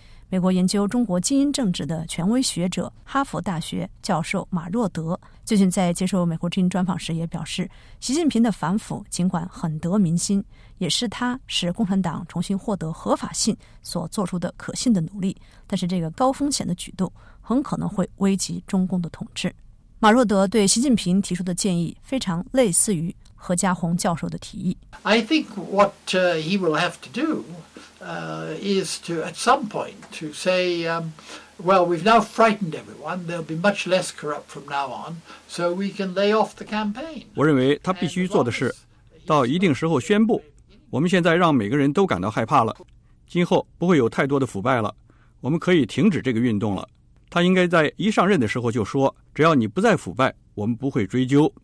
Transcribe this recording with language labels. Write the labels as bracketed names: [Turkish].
[Chinese] 美国研究中国精英政治的权威学者、哈佛大学教授马若德最近在接受美国之音专访时也表示，习近平的反腐尽管很得民心，也是他使共产党重新获得合法性所做出的可信的努力，但是这个高风险的举动很可能会危及中共的统治。马若德对习近平提出的建议非常类似于何家宏教授的提议。 [English] I think what he will have to do is to at some point to say, well, we've now frightened everyone. There'll be much less corrupt from now on, so we can lay off the campaign. [Chinese] 我认为他必须做的是，到一定时候宣布，我们现在让每个人都感到害怕了，今后不会有太多的腐败了，我们可以停止这个运动了。他应该在一上任的时候就说，只要你不再腐败，我们不会追究。